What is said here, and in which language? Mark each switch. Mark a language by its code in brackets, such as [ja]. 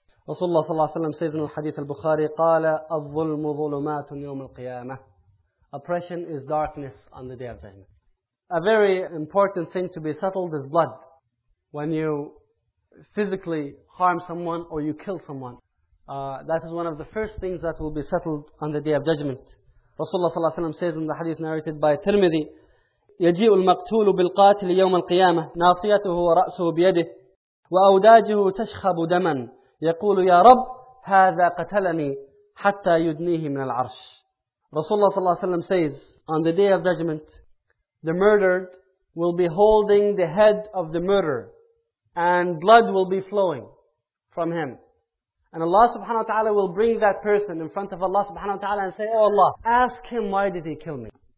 [en] Rasulullah sallallahu alayhi wa sallam says in al-hadith al-Bukhari, [ar] قَالَ الظُّلْمُ ظُلُمَاتٌ يَوْمُ الْقِيَامَةِ. [en] Oppression is darkness on the Day of Judgment. A very important thing to be settled is blood. When you physically harm someone or you kill someone, that is one of the first things that will be settled on the Day of Judgment. Rasulullah sallallahu alayhi wa sallam says in the hadith narrated by Tirmidhi, [ar] يَجِيءُ الْمَقْتُولُ بِالْقَاتِلِ يَوْمَ الْقِيَامَةِ نَاصِيَتُهُ وَرَأْسُهُ بِيَدِهِ وَأَوْدَاجُهُ تَشْخَبُ دَمًا يَقُولُ يَا رَبْ هَذَا قَتَلَنِي حَتَّى يُدْنِيهِ مِنَ الْعَرْشِ. [en] Rasulullah sallallahu alayhi wa sallam says, on the Day of Judgment, the murdered will be holding the head of the murderer and blood will be flowing from him. And Allah subhanahu wa ta'ala will bring that person in front of Allah subhanahu wa ta'ala and say, oh Allah, ask him why did he kill me?